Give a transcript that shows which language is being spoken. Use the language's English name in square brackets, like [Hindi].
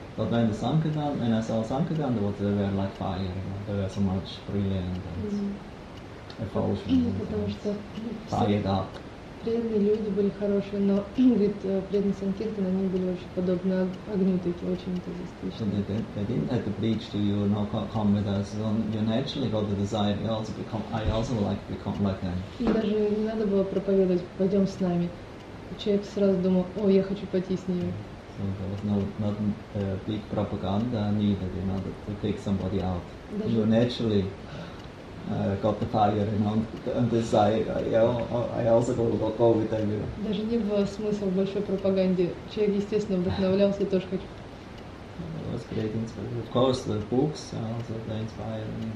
[English] But when the Sankirtan, when I saw Sankirtan, they were like fire, you know? They were so much brilliant and effulgent, [Russian] преданные люди были хорошие, но, говорит, преданные Санкиртаны, они были очень подобны огню, такие очень энтузиастичные. [English] So they didn't have to preach to you, no, come with us. You naturally got the desire, I also like to become like them. [Russian] И даже не надо было проповедовать, пойдем с нами. Человек сразу думал, о, я хочу пойти с ними. [English] So there was not a big propaganda needed in order to take somebody out. [Russian] Даже [English] you naturally got the fire and desire. I also go with them. [Russian] Даже не было смысла в большой пропаганде. Человек естественно вдохновлялся, тоже хочу. [English] It was great inspiration. Of course, the books also they inspired me.